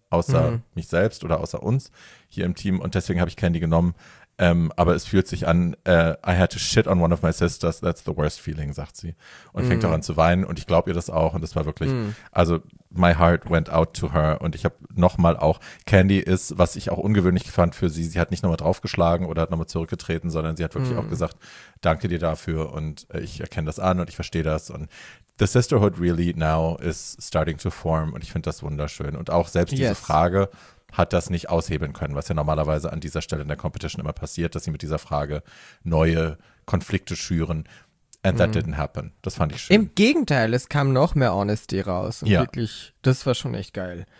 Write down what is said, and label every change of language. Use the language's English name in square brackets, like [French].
[German] außer mich selbst oder außer uns hier im Team. Und deswegen habe ich Candy genommen. Aber es fühlt sich an, [English] I had to shit on one of my sisters, that's the worst feeling, [German] sagt sie. Und fängt auch an zu weinen. Und ich glaube ihr das auch. Und das war wirklich, also [English] my heart went out to her. [German] Und ich habe nochmal auch, Candy ist, was ich auch ungewöhnlich fand für sie, sie hat nicht nochmal draufgeschlagen oder hat nochmal zurückgetreten, sondern sie hat wirklich auch gesagt, danke dir dafür. Und ich erkenne das an und ich verstehe das. Und [English] the sisterhood really now is starting to form. [German] Und ich finde das wunderschön. Und auch selbst diese Frage hat das nicht aushebeln können, was ja normalerweise an dieser Stelle in der Competition immer passiert, dass sie mit dieser Frage neue Konflikte schüren. [English] And that didn't happen. [German] Das fand ich schön. Im Gegenteil, es kam noch mehr Honesty raus. Und wirklich, das war schon echt geil.